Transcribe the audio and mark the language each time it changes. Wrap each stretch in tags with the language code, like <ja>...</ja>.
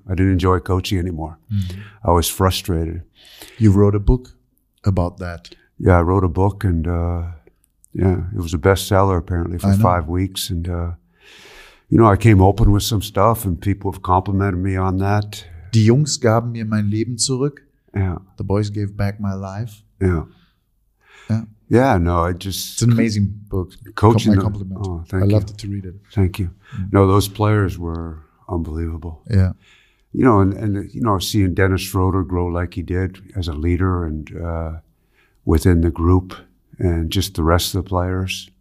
<en>I didn't enjoy coaching anymore. Mm-hmm. I was frustrated. You wrote a book about that. Yeah, I wrote a book and it was a bestseller apparently for 5 weeks. And, you know, I came open with some stuff and people have complimented me on that.</en> <de>Die Jungs gaben mir mein Leben zurück.</de> <en>Yeah. The boys gave back my life. Yeah. Yeah, no, I just... It's an amazing book. Coaching. My compliment. Oh, thank you. I loved it to read it. Thank you. Mm-hmm. No, those players were unbelievable. Yeah. You know, and you know, seeing Dennis Schroeder grow like he did as a leader and within the group and just the rest of the players.</en>